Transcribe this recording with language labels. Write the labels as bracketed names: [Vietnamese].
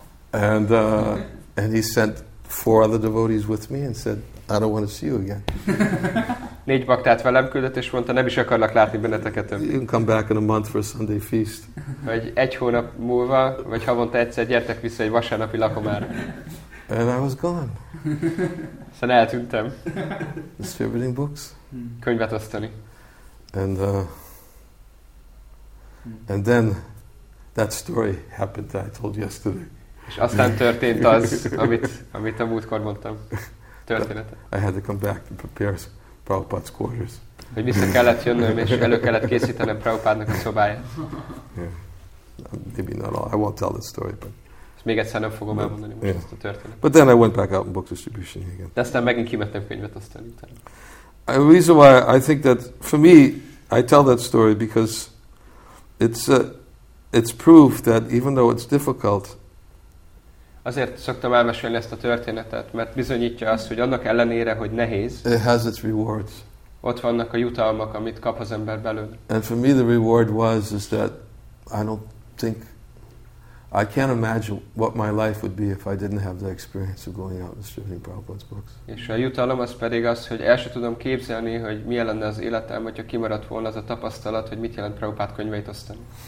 [English] And he sent 4 other devotees with me and said, I don't want to see you again. [Hungarian] Négy baktát velem küldött, és mondta, nem is akarlak látni benneteket. [English] You can come back in a month for a Sunday feast. [Hungarian] Vagy egy hónap múlva, vagy havonta egyszer gyertek vissza egy vasárnapi lakomára. [English] And I was gone. [Hungarian] Szóval eltűntem. [English] Distributing books. [Hungarian] Könyvet osztani. [English] And then that story happened that I told yesterday. [Hungarian] És aztán történt az, amit a múltkor mondtam. Története. [English] I had to come back to prepare Prabhupada's quarters. [Hungarian] Hogy vissza kellett jönnöm, és elő kellett készítenem Prabhupádnak a szobáját. [English] Yeah. Maybe not all. I won't tell the story, but... [Hungarian] Ezt még egyszer nem fogom elmondani most ezt a történetet. [English] But then I went back out in book distribution again. [Hungarian] De aztán megint kimettem könyvet osztani. [English] The reason why I think that, for me, I tell that story because it's proof that even though it's difficult... [Hungarian] Azért szoktam elmesélni ezt a történetet, mert bizonyítja azt, hogy annak ellenére, hogy nehéz, [English] it has its rewards. [Hungarian] Ott vannak a jutalmak, amit kap az ember belőle. [English] And for me the reward was is that I don't think, I can't imagine what my life would be if I didn't have the experience of going out and distributing Prabhupada's books. [Hungarian] És a jutalom az pedig az, hogy el sem tudom képzelni, hogy milyen lenne az életem, hogyha kimaradt volna az a tapasztalat, hogy mit jelent Prabhupada könyveit osztani.